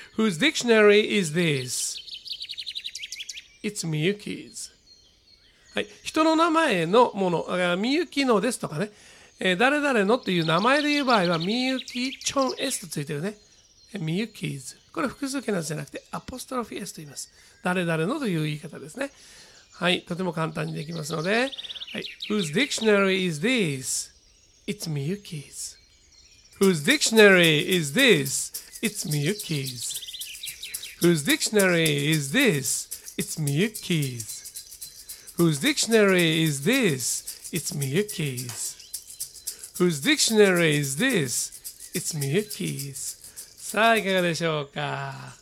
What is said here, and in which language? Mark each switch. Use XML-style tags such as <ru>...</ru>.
<en>Who's dictionary is this? It's Miyuki's.</en> <ja>はい。人の名前のもの、みゆきのですとかね。誰々のという名前で言う場合は、みゆきちょん S とついてるね。みゆきず。これ複数形なんじゃなくて、アポストロフィー S と言います。誰々のという言い方ですね。はい。</ja> <en>とても簡単にできますので、はい、Whose dictionary is this?It's みゆきず。 Whose dictionary is this?It's みゆきず。 Whose dictionary is this?It's みゆきず。 Whose dictionary is this?It's みゆきず。 Whose dictionary is this? It's Miyuki's.</en> <ja>さあ、いかがでしょうか。</ja>